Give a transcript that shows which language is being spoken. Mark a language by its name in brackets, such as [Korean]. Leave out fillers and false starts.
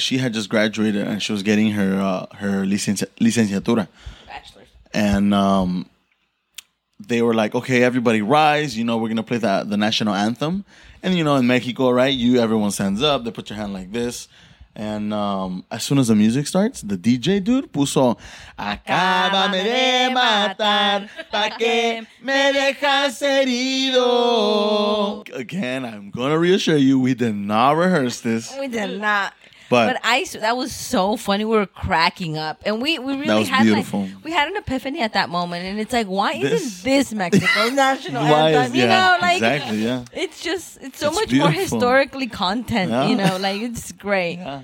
[English] She had just graduated and she was getting her licenciatura. Bachelor's. And they were like, okay, everybody rise. You know, we're going to play the national anthem. And, you know, in Mexico, right, everyone stands up. They put your hand like this. And as soon as the music starts, the DJ dude [Spanish] puso, acábame de matar, pa' que me dejas herido. [English] Again, I'm going to reassure you, we did not rehearse this. We did not. But that was so funny. We were cracking up. And we really that was had beautiful. Like we had an epiphany at that moment. And it's like, why isn't this Mexico national anthem? You know, like exactly, yeah. it's so much more historically content, yeah. You know, like it's great.